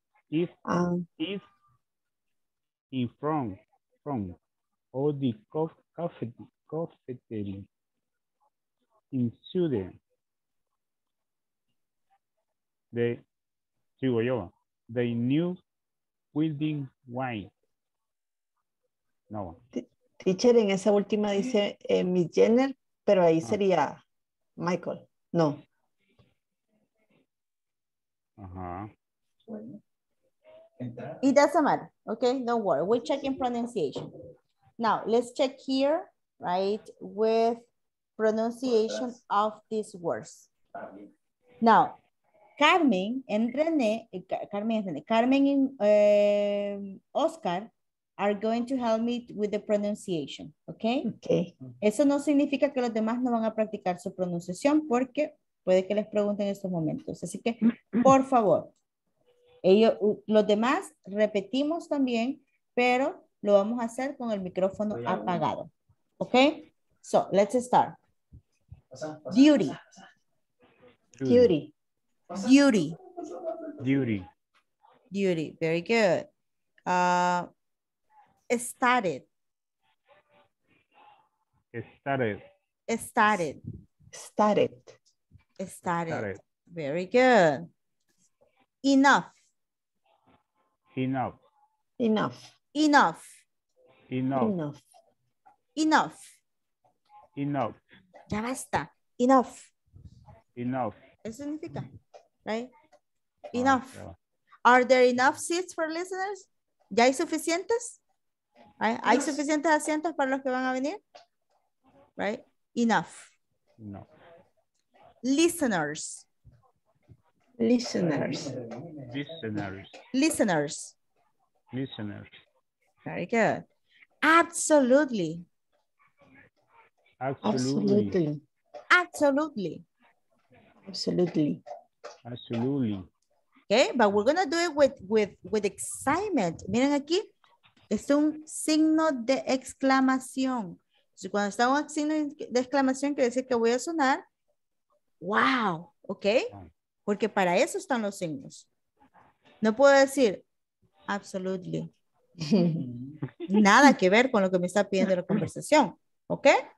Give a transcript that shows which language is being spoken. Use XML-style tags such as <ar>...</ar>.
<en>If in front from all the cafeteria in Sweden, the new building white. No.</en> <es>Teacher, en esa última dice Miss Jenner, pero ahí sería Michael. No.</es> <en>It doesn't matter. Okay, don't worry. We're checking pronunciation. Now, let's check here, right, with pronunciation of these words. Now, Carmen and René, Carmen and Oscar are going to help me with the pronunciation, okay? Okay.</en> <es>Eso no significa que los demás no van a practicar su pronunciación porque puede que les pregunten en estos momentos. Así que, por favor, ellos, los demás repetimos también, pero lo vamos a hacer con el micrófono apagado.</es> <en>Okay? So, let's start. Duty. Duty. Duty. Duty. Duty. Very good. Started. Started. Started. Started. Started. Very good. Enough. Enough. Enough. Enough. Enough. Enough. Enough.</en> <es>Ya basta. Enough.</es> <en>Enough.</en> <es>Eso significa, right? Enough.</es> <en>Oh, yeah. Are there enough seats for listeners?</en> <es>¿Ya hay suficientes? Right? ¿Hay suficientes asientos para los que van a venir?</es> <en>Right? Enough. No. Listeners. Listeners. Listeners. Listeners. Listeners. Very good. Absolutely. Absolutely. Absolutely. Absolutely. Absolutely. Okay, but we're going to do it with excitement.</en> <es>Miren aquí, es un signo de exclamación. Entonces, cuando está un signo de exclamación, quiere decir que voy a sonar. Wow, okay? Porque para eso están los signos. No puedo decir absolutely. Nada que ver con lo que me está pidiendo la conversación, ¿okay?</es>